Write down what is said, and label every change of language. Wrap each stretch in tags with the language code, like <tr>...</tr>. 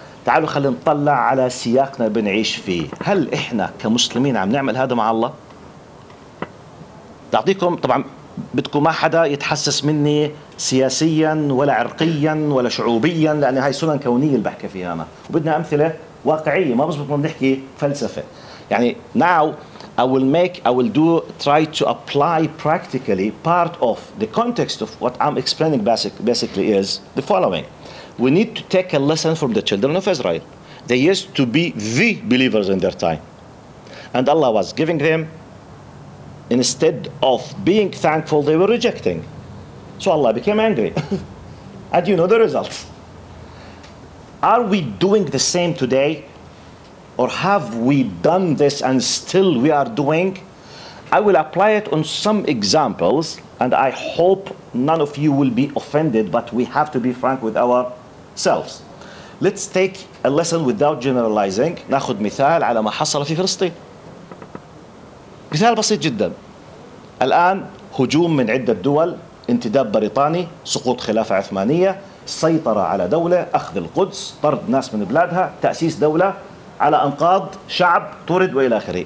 <ar>تعالوا خلينا نطلع على سياقنا بنعيش فيه. هل إحنا كمسلمين عم نعمل هذا مع الله؟ تعطيكم طبعا بدكم ما حدا يتحسس مني سياسيا ولا عرقيا ولا شعوبيا، لأن هاي سنن كونية اللي بحكي فيها أنا، وبدنا أمثلة واقعية. ما بزبط من نحكي فلسفة. يعني</ar> <en>now I will try to apply practically part of the context of what I'm explaining basically is the following. We need to take a lesson from the children of Israel. They used to be the believers in their time. And Allah was giving them, instead of being thankful, they were rejecting. So Allah became angry. And you know the results. Are we doing the same today? Or have we done this and still we are doing? I will apply it on some examples, and I hope none of you will be offended, but we have to be frank with ourselves. Let's take a lesson without generalizing.</en> <ar>ناخذ مثال على ما حصل في فلسطين. مثال بسيط جدا. الآن هجوم من عدة دول، انتداب بريطاني، سقوط خلافة عثمانية، سيطرة على دولة، أخذ القدس، طرد ناس من بلادها، تأسيس دولة على أنقاض شعب طرد وإلى آخره.</ar>